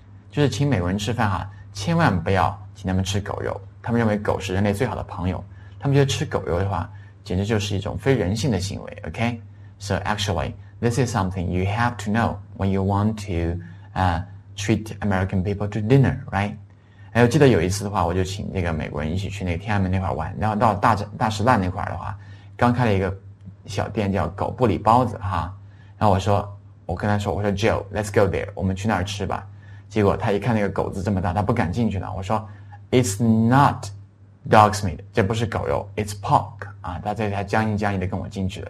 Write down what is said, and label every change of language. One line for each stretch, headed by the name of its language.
Chinese: 就是请美国人吃饭啊，千万不要请他们吃狗肉，他们认为狗是人类最好的朋友，他们觉得吃狗肉的话，简直就是一种非人性的行为。
English: Okay, so actually, this is something you have to know when you want to treat American people to dinner, right?
Chinese: 还有记得有一次的话，我就请这个美国人一起去那个天安门那块玩，然后到大石烂那块的话，刚开了一个小店叫狗不理包子哈，然后我跟他说 Joe,
English: let's go there,
Chinese: 我们去那儿吃吧。结果他一看那个狗子这么大，他不敢进去了。我说
English: It's not dog's meat,
Chinese: 这不是狗肉 ,
English: It's pork,
Chinese: 啊，他这才僵硬僵硬的跟我进去了。